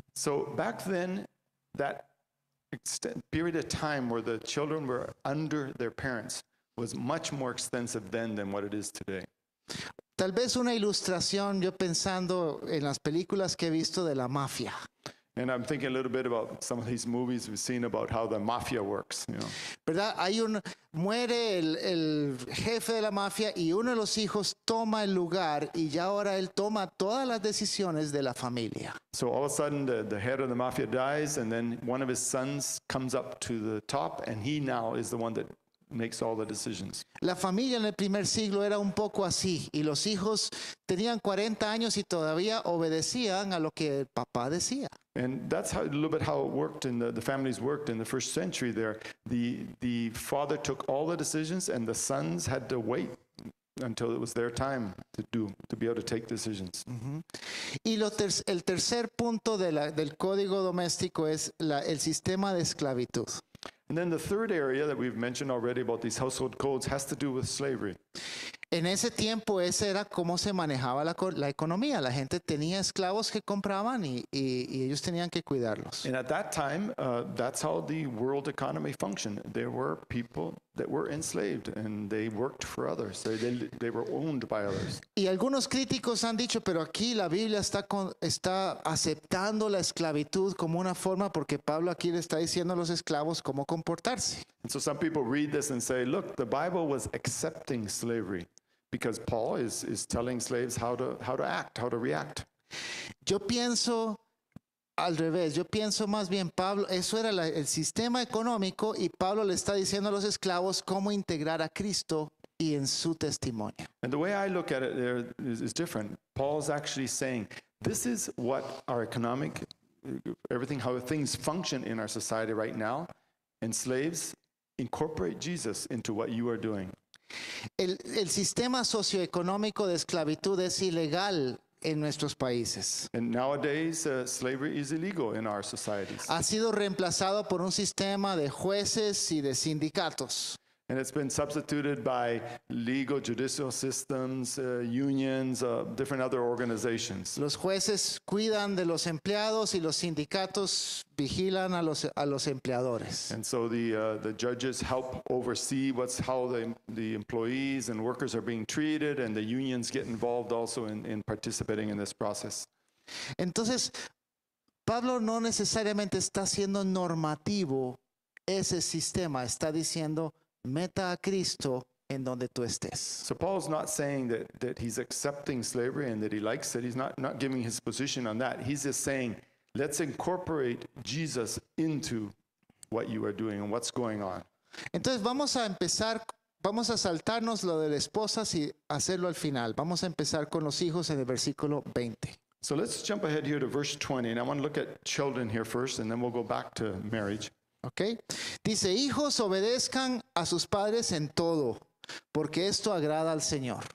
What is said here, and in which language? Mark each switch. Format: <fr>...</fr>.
<en>So back then, that period of time where the children were under their parents was much more extensive than what it is today.</en> <es>Tal vez una ilustración, yo pensando en las películas que he visto de la mafia.</es> <en>And I'm thinking a little bit about some of these movies we've seen about how the mafia works, you know.</en> <es>¿Verdad? Hay un muere el jefe de la mafia y uno de los hijos toma el lugar y ya ahora él toma todas las decisiones de la familia.</es> <en>So all of a sudden the head of the mafia dies and then one of his sons comes up to the top and he now is the one that makes all the decisions.</en> <es>La familia en el primer siglo era un poco así y los hijos tenían 40 años y todavía obedecían a lo que el papá decía.</es> <en>And that's how, a little bit how it worked in the families worked in the first century there. The father took all the decisions and the sons had to wait until it was their time to be able to take decisions.</en> <es>Mm-hmm. Y el tercer punto del código doméstico es el sistema de esclavitud.</es> <en>And then the third area that we've mentioned already about these household codes has to do with slavery.</en> <es>En ese tiempo, ese era cómo se manejaba la economía. La gente tenía esclavos que compraban y ellos tenían que cuidarlos.</es> <en>And at that time, that's how the world economy functioned. There were people that were enslaved and they worked for others. They were owned by others.</en> <es>Y algunos críticos han dicho, pero aquí la Biblia está aceptando la esclavitud como una forma porque Pablo aquí le está diciendo a los esclavos cómo comportarse.</es> <en>And so some people read this and say, look, the Bible was accepting slavery because Paul is telling slaves how to act, how to react.</en> <es>Yo pienso al revés. Yo pienso más bien, Pablo, eso era el sistema económico y Pablo le está diciendo a los esclavos cómo integrar a Cristo y en su testimonio.</es> <en>And the way I look at it there is different. Paul's actually saying, this is what our economic, everything, how things function in our society right now. And slaves, incorporate Jesus into what you are doing.</en> <es>El sistema socioeconómico de esclavitud es ilegal en nuestros países.</es> <en>And nowadays, slavery is illegal in our societies.</en> <es>Ha sido reemplazado por un sistema de jueces y de sindicatos.</es> <en>And it's been substituted by legal judicial systems, unions, different other organizations.</en> <es>Los jueces cuidan de los empleados y los sindicatos vigilan a los empleadores.</es> <en>And so the judges help oversee how the employees and workers are being treated, and the unions get involved also in participating in this process.</en> <es>Entonces, Pablo no necesariamente está siendo normativo ese sistema, está diciendo meta a Cristo en donde tú estés.</es> <en>So Paul's not saying that he's accepting slavery and that he likes it. He's not giving his position on that. He's just saying, let's incorporate Jesus into what you are doing and what's going on.</en> <es>Entonces vamos a empezar, vamos a saltarnos lo de las esposas y hacerlo al final. Vamos a empezar con los hijos en el versículo 20.</es> <en>So let's jump ahead here to verse 20, and I want to look at children here first, and then we'll go back to marriage. Okay.</en> <es>Dice, hijos, obedezcan a sus padres en todo, porque esto agrada al Señor.</es>